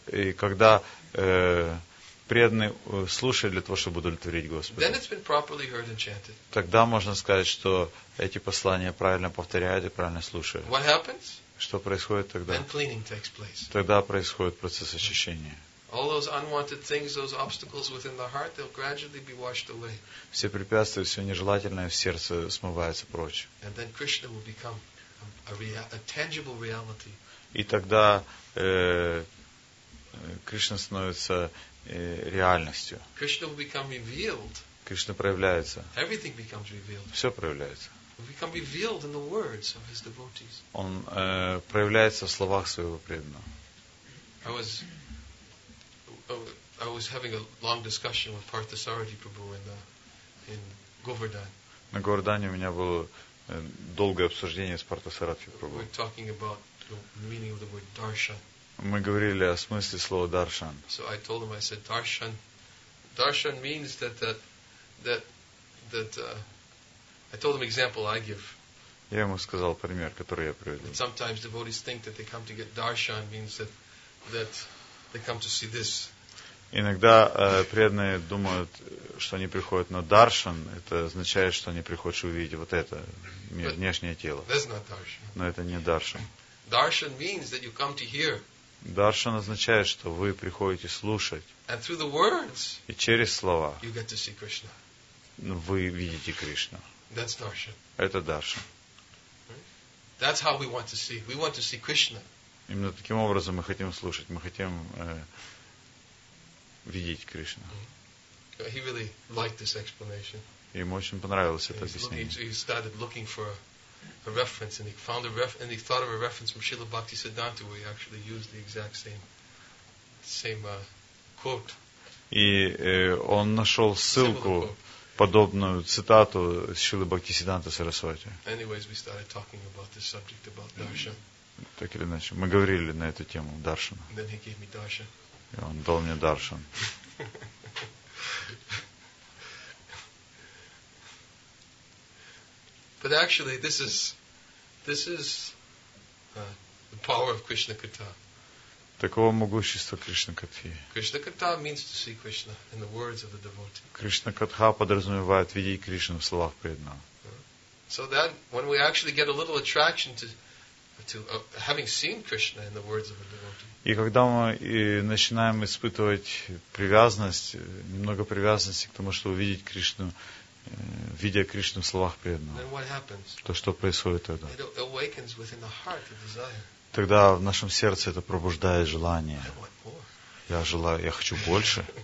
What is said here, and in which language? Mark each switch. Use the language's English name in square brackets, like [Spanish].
[Russian] И когда преданный слушает для того, чтобы удовлетворить Господа, [English] then it's been properly heard and chanted. [Russian] Тогда можно сказать, что эти послания правильно повторяют и правильно слушают. [English] What happens? [Russian] Что происходит тогда? [English] Then cleaning takes place. [Russian] Тогда происходит процесс очищения. [English] All those unwanted things, those obstacles within the heart, they'll gradually be washed away. [Russian] Все препятствия, все нежелательное в сердце смывается прочь. [English] And then Krishna will become a tangible reality. [Russian] И тогда Кришна становится реальностью. [English] Krishna will become revealed. [Russian] Кришна проявляется. [English] Everything becomes revealed. [Russian] Все проявляется. [English] Will become revealed in the words of his devotees. [Russian] Он проявляется в словах своего преданного. [English] I was having a long discussion with Parthasarathy Prabhu in Govardhan. [Russian] На Говардхане у меня было долгое обсуждение с Парта-Сарати Прабху. [English] We were talking about the meaning of the word darshan. [Russian] Мы говорили о смысле слова darshan. [English] So I told him, I said, darshan means that I told him example I give. [Russian] Я ему сказал пример, который я привел. [English] Sometimes devotees think that they come to get darshan means that they come to see this. [Russian] Иногда преданные думают, что они приходят на даршан, это означает, что они приходят увидеть вот это, внешнее тело. Но это не даршан. [English] Darshan means that you come to hear. [Russian] Даршан означает, что вы приходите слушать. [English] And through the words, [Russian] и через слова [English] you get to see Krishna. [Russian] Вы видите Кришну. [English] That's darshan. [Russian] Это даршан. [English] That's how we want to see. We want to see Krishna. [Russian] Именно таким образом мы хотим слушать. Мы хотим видеть Кришну. [English] He really liked this explanation. [Russian] Ему очень понравилось это объяснение. [English] He started looking for a reference, and he found a and he thought of a reference from Srila Bhaktisiddhanta, where he actually used the exact same quote. [Russian] И он нашел ссылку, подобную цитату Шрилы Бхактисиддханты Сарасвати. [English] Anyways, we started talking about this subject, about darshan. [Russian] Так или иначе, мы говорили на эту тему, даршан. [English] And then he gave me darshan. [Russian] И он дал мне даршан. [English] But actually, this is the power of Krishna Katha. [Russian] Такого могущества Кришна-катхи. [English] Кришна-катха means to see Krishna in the words of the devotee. [Russian] Кришна-катха подразумевает видеть Кришну в словах преданного. [English] So that when we actually get a little attraction to having seen Krishna in the words of the devotee. [Russian] И когда мы начинаем испытывать привязанность, немного привязанности к тому, чтобы увидеть Кришну, видя Кришну в словах преданного. [English] Then what happens? [Russian] То, что происходит тогда? [English] It awakens within the heart the desire. [Russian] Тогда в нашем сердце это пробуждает желание. Я желаю, я хочу больше.